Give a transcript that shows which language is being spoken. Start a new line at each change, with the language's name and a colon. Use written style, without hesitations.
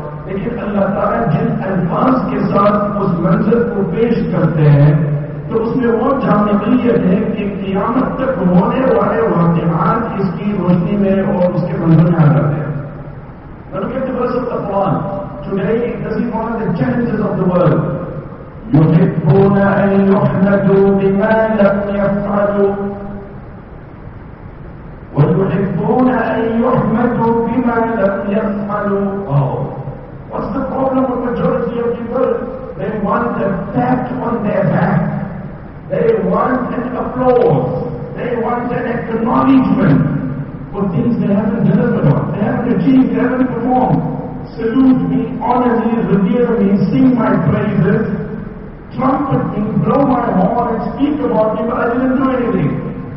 Urdu: لیکن اللہ تعالیٰ جن الفاظ کے ساتھ اس منظر کو پیش کرتے ہیں تو اس میں وہ جامعیت ہے کہ قیامت تک ہونے والے واقعات اس کی روشنی میں اور اس کے منظر میں آ جاتے ہیں.
English: But look at the verse of the Quran. Today, one of the challenges of the world.
Arabic: يحبون أن يحمدوا بما لم يفعلوا. يحبون أن يحمدوا بما لم يفعلوا.
English: What's the problem with majority of people? They want a pat on their back. They want an applause. They want an acknowledgement for things they haven't delivered on. They haven't achieved, they haven't performed. Salute me, honor me, revere me, sing my praises, trumpet me, blow my horn and speak about me, but I didn't do anything.